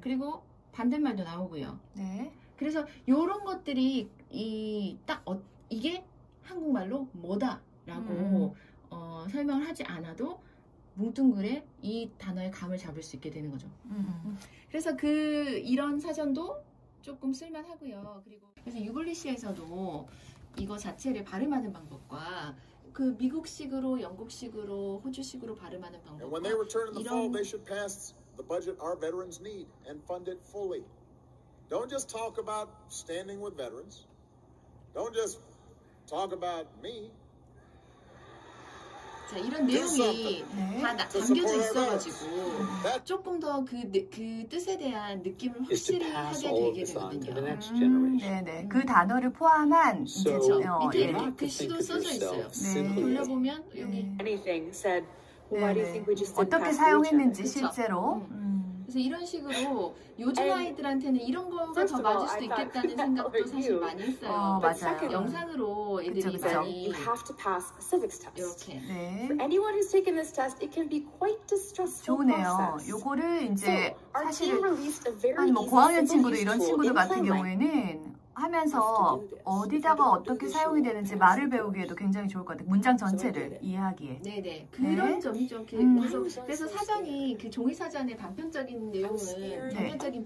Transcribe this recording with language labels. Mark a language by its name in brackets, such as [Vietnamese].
[Korean] 그리고 반대말도 나오고요. 네. 그래서 이런 것들이 이 딱 이게 한국말로 뭐다라고 설명을 하지 않아도 뭉뚱그레 이 단어의 감을 잡을 수 있게 되는 거죠. 그래서 그 이런 사전도 조금 쓸만하고요. 그리고 그래서 유글리시에서도 이거 자체를 발음하는 방법과 그 미국식으로 영국식으로 호주식으로 발음하는 방법. [English] When they return in the fall, they should pass the budget our veterans need and fund it fully. Don't just talk about standing with veterans. Don't just talk about me. [Korean] 자, 이런 내용이 다 담겨져 있어가지고 조금 더 그 뜻에 대한 느낌을 확실히 하게 되게 되거든요. 네네. 그 단어를 포함한 그렇죠. 이제 이렇게 글씨도 써져 있어요. 네. 돌려보면 여기 [English] anything said. [Korean] 어떻게 사용했는지 실제로. 그래서 이런 식으로 요즘 아이들한테는 이런 거가 더 맞을 수도 있겠다는 생각도 사실 많이 했어요. 맞아요. 영상으로 애들이 많이 [English] You have to pass civics test. [Korean] 이렇게. 네. [English] For anyone who's taken this test, it can be quite distressful. [Korean] 좋네요. 요거를 이제 사실은 아니 뭐 고학년 친구들 이런 친구들 같은 경우에는 하면서 어디다가 어떻게 사용이 되는지 말을 배우기에도 굉장히 좋을 것 같아요. 문장 전체를 이해하기에. 네네. 그런 네? 점이죠. 그래서 사전이 그 종이 사전의 단편적인 내용은 단편적인 네.